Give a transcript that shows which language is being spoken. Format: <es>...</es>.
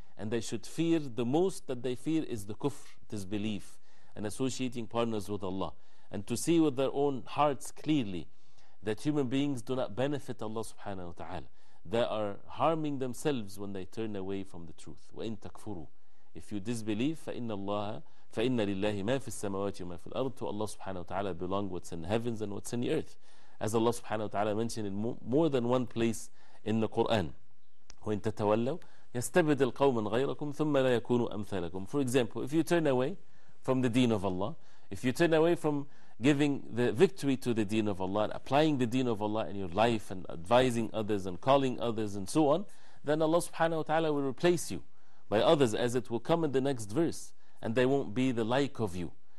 <en>And they should fear, the most that they fear is the kufr, disbelief, and associating partners with Allah. And to see with their own hearts clearly that human beings do not benefit Allah subhanahu wa ta'ala. They are harming themselves when they turn away from the truth.</en> <ar>وَإِن تَكْفُرُوا.</ar> <en>If you disbelieve,</en> <ar>فَإِنَّ لِلَّهِ مَا فِي السَّمَوَاتِ وَمَا فِي الْأَرْضِ.</ar> <en>To Allah subhanahu wa ta'ala belong what's in heavens and what's in the earth. As Allah subhanahu wa ta'ala mentioned in more than one place in the Quran.</en> <ar>وَإِن تَتَوَلَّوا يَسْتَبْدِلْ قَوْمًا غَيْرَكُمْ ثُمَّ لَا يَكُونُوا أَمْثَالَكُمْ.</ar> <en>For example, if you turn away from the deen of Allah, if you turn away from giving the victory to the deen of Allah, applying the deen of Allah in your life and advising others and calling others and so on, then Allah subhanahu wa ta'ala will replace you by others, as it will come in the next verse, and they won't be the like of you.</en>